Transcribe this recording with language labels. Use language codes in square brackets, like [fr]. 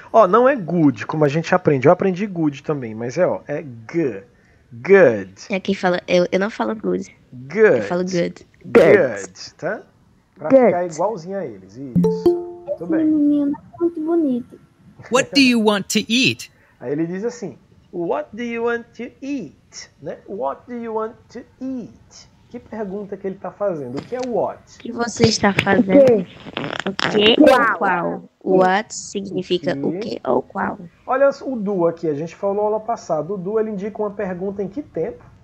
[pt] Ó, não é good, como a gente aprende. Eu aprendi good também, mas é, ó, é good. É quem fala, eu não falo good. [en] Good. [pt] Eu falo good. Good, tá? Pra good. Ficar igualzinho a eles, isso. Muito bem. Esse menino é muito bonito. [en] What do you want to eat? [pt] Aí ele diz assim, [en] what do you want to eat? [pt] Né? [en] What do you want to eat? [pt] Que pergunta que ele tá fazendo? O que é what? O que você está fazendo? O que ou qual? What significa o que ou qual? Olha o do aqui, a gente falou aula passada. O do, ele indica uma pergunta em que tempo?